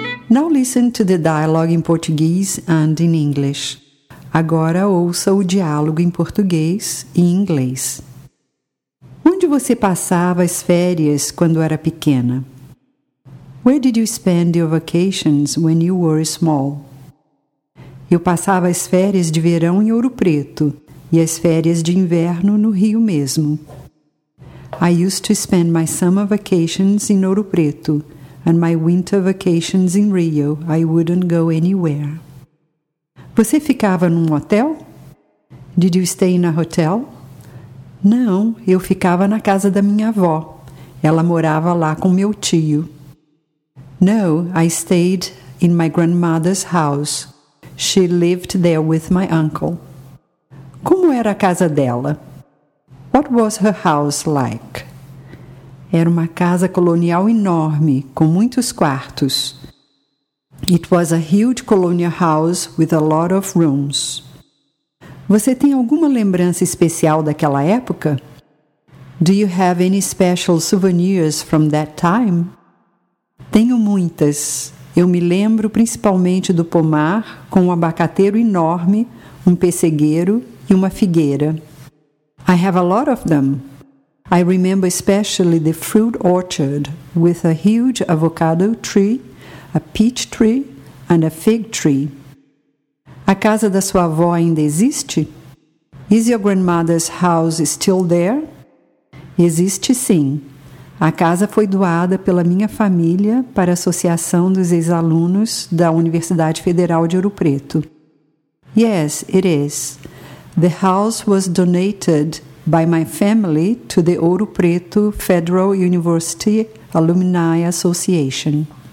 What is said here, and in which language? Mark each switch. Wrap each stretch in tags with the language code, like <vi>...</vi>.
<en>Now listen to the dialogue in Portuguese and in English.</en> <pt>Agora ouça o diálogo em português e em inglês. Onde você passava as férias quando era pequena?</pt> <en>Where did you spend your vacations when you were small?</en> <pt>Eu passava as férias de verão em Ouro Preto e as férias de inverno no Rio mesmo.</pt> <en>I used to spend my summer vacations in Ouro Preto and my winter vacations in Rio. I wouldn't go anywhere.</en> <pt>Você ficava num hotel?</pt> <en>Did you stay in a hotel?</en> <pt>Não, eu ficava na casa da minha avó. Ela morava lá com meu tio.</pt> <en>No, I stayed in my grandmother's house. She lived there with my uncle.</en> <pt>Como era a casa dela?</pt> <en>What was her house like?</en> <pt>Era uma casa colonial enorme, com muitos quartos.</pt> <en>It was a huge colonial house with a lot of rooms.</en> <pt>Você tem alguma lembrança especial daquela época?</pt> <en>Do you have any special souvenirs from that time?</en> <pt>Tenho muitas. Eu me lembro principalmente do pomar com um abacateiro enorme, um pessegueiro e uma figueira.</pt> <en>I have a lot of them. I remember especially the fruit orchard with a huge avocado tree, a peach tree and a fig tree.</en> <pt>A casa da sua avó ainda existe?</pt> <en>Is your grandmother's house still there?</en> <pt>Existe sim. A casa foi doada pela minha família para a Associação dos Ex-Alunos da Universidade Federal de Ouro Preto.</pt> <en>Yes, it is. The house was donated by my family to the Ouro Preto Federal University Alumni Association.</en>